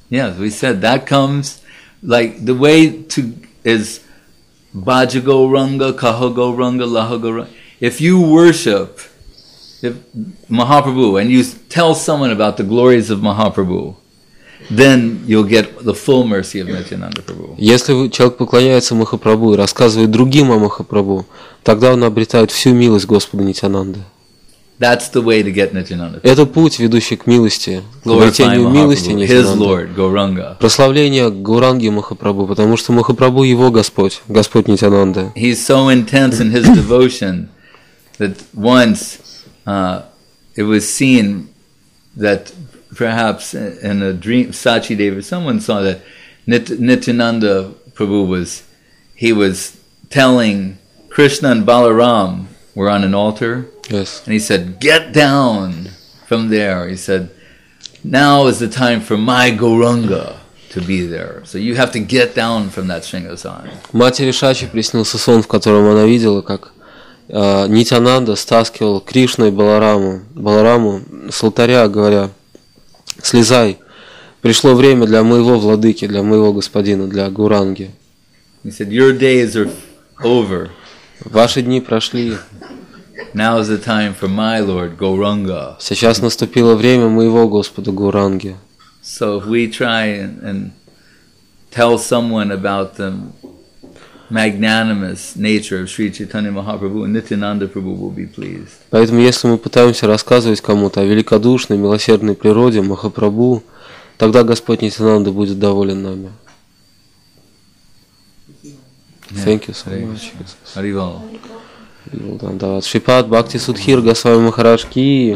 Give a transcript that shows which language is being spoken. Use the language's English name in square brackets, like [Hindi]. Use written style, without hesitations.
[English] Yes, we said that comes, like, the way to is [Bangla] Bhaja Gauranga, Kaha Gauranga, Laha Gauranga. [English] If you worship Mahaprabhu and you tell someone about the glories of Mahaprabhu, then you'll get the full mercy of Nityananda Prabhu. [Russian] Если человек поклоняется Махапрабху и рассказывает другим о Махапрабху, тогда он обретает всю милость Господа Нитянанды. [English] That's the way to get Nityananda. [Russian] Это путь, ведущий к милости, к обретению милости Нитянанды. Прославление Гауранги Махапрабху, потому что Махапрабху его Господь, Господь Нитянанда. [English] He's so intense in his devotion that once it was seen that perhaps in a dream, Sachidev, someone saw that Nityananda Prabhu was, he was telling Krishna and Balaram were on an altar. Yes. And he said, get down from there. He said, now is the time for my Gauranga to be there. So you have to get down from that Shringasan. [Russian] Матери Шачи приснился сон, в котором она видела, как Нитянанда стаскивал Кришну и Балараму с алтаря, говоря, слезай, пришло время для моего владыки, для моего господина, для Гуранги. [English] He said, your days are over. [Russian] Ваши дни прошли. [English] Now is the time for my lord, Gauranga. [Russian] Сейчас наступило время моего господа Гуранги. [English] So if we try and tell someone about the magnanimous nature of Sri Chaitanya Mahaprabhu, Nityananda Prabhu will be pleased. [Russian] Поэтому, если мы пытаемся рассказывать кому-то о великодушной, милосердной природе Махапрабху, тогда Господь Нитянанда будет доволен нами. [English] Thank you so much. Well done. [Russian] Да, Шрипад Бхакти Судхир Госвами Махарадж Ки.